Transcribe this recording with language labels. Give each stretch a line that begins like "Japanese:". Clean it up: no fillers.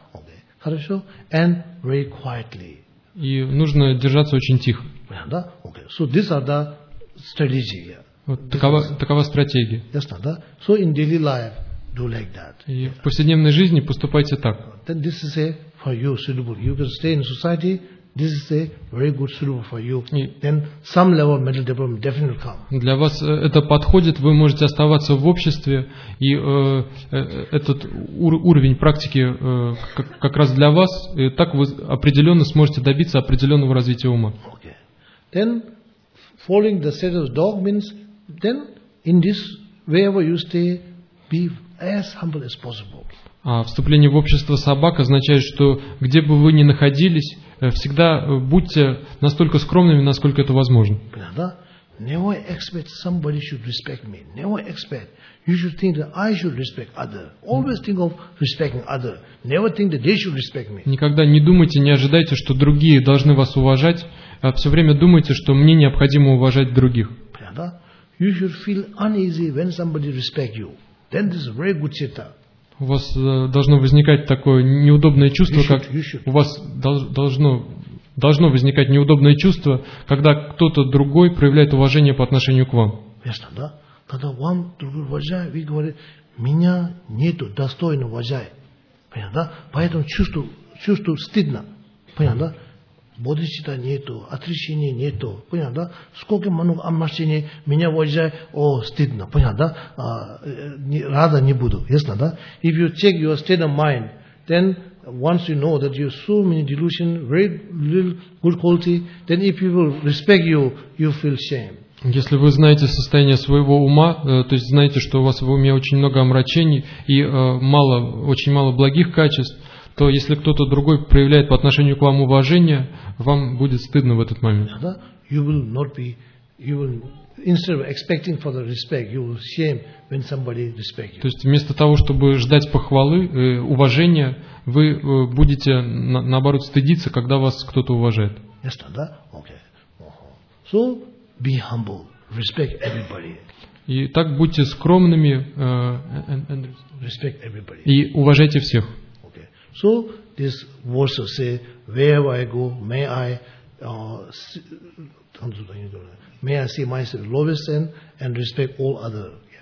English: Okay.
Russian: Хорошо.
English: And very quietly.
Russian: И нужно держаться очень тихо. Понятно, да?
English: Okay. So these are the strategy.
Russian: Такова стратегия. Ясно, да?
English: So in daily life, do like that.
Russian: И в повседневной жизни поступайте так.
English: Then this is a for you suitable. You can stay in society. This is a very good suitable for you. Then some level of mental development definitely come.
Russian: Для вас это подходит, вы можете оставаться в обществе, и этот уровень практики как раз для вас, и так вы определенно сможете добиться определенного развития ума.
English: Okay. Then following the set of dogmas, then in this wherever you stay, be as humble as possible.
Russian: А вступление в общество собак означает, что где бы вы ни находились, всегда будьте настолько скромными, насколько это возможно. Да?
English: Never expect somebody should respect me. Never expect. You should think that I should respect other. Always think of respecting other. Never think that they should respect me.
Russian: Никогда не думайте, не ожидайте, что другие должны вас уважать. А все время думайте, что мне необходимо уважать других. Да?
English: You should feel uneasy when somebody respect you. Then this is very good citta.
Russian: У вас должно возникать такое неудобное чувство, как у вас должно возникать неудобное чувство, когда кто-то другой проявляет уважение по отношению к вам. Ясно, да? Когда вам другой уважает, вы говорите, меня нету достойно уважать. Понятно, да? Поэтому чувство стыдно. Понятно, да? Бодхичитта нету, отречения нету. Понятно, да? Сколько много омрачений, меня уважает, о, стыдно. Понятно, да? Рада не буду. Ясно, да?
English: If you check your state of mind, then once you know that you have so many delusions, very little good quality, then if people respect you, you feel shame.
Russian: Если вы знаете состояние своего ума, то есть знаете, что у вас в уме очень много омрачений и мало, очень мало благих качеств, то если кто-то другой проявляет по отношению к вам уважение, вам будет стыдно в этот момент. Да?
English: You will not be, you will, instead of expecting for the respect, you will shame when somebody respects you.
Russian: То есть вместо того, чтобы ждать похвалы, уважения, вы будете наоборот стыдиться, когда вас кто-то уважает. Ясно, да?
English: Okay. Uh-huh. So, be humble. Respect everybody.
Russian: И так будьте скромными
English: and respect everybody.
Russian: И уважайте всех.
English: So this verse say, wherever I go, may I see myself lowest and respect all other.